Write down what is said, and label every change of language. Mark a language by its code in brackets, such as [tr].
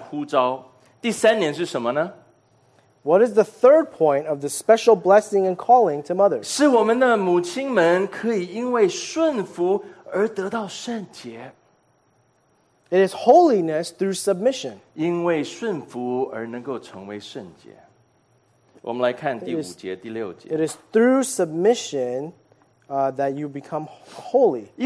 [zh] 神赐给我们母亲的特别的这种祝福和呼召。第三点是什么呢？ [en] What is the third point of the special blessing and calling to mothers? [zh] 是我们的母亲们可以因为顺服而得到圣洁。 [en] It is holiness through submission. [zh] 因为顺服而能够成为圣洁。我们来看第五节、第六节。 [en] It is through submission that you become holy.